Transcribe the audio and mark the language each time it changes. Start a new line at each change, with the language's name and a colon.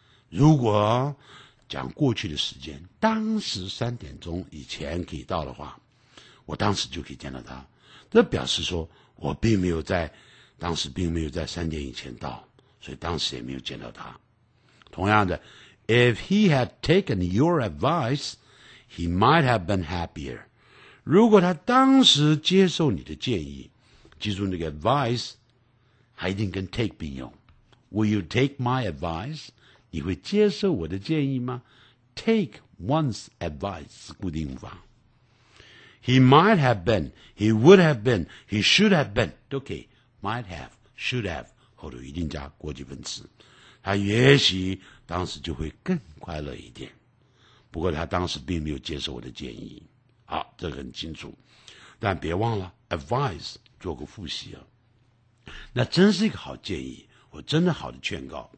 Chinese: 如果讲过去的时间，当时三点钟以前可以到的话，我当时就可以见到他。这表示说我并没有在当时并没有在三点以前到，所以当时也没有见到他。同样的
English: ,if he had taken your advice, he might have been happier.
Chinese: 如果他当时接受你的建议，记住那个 advice, 还一定跟 take 并用。
English: Will you take my advice?
Chinese: 你会接受我的建议吗
English: ?Take one's advice,
Chinese: 固定无法。
English: He might have been, he would have been, he should have been, 都可以。 Might have, should have,
Chinese: 后头一定加过去分词。他也许当时就会更快乐一点。不过他当时并没有接受我的建议。好，这个很清楚。但别忘了 ,advice, 做个复习啊。那真是一个好建议，我真的好的劝告。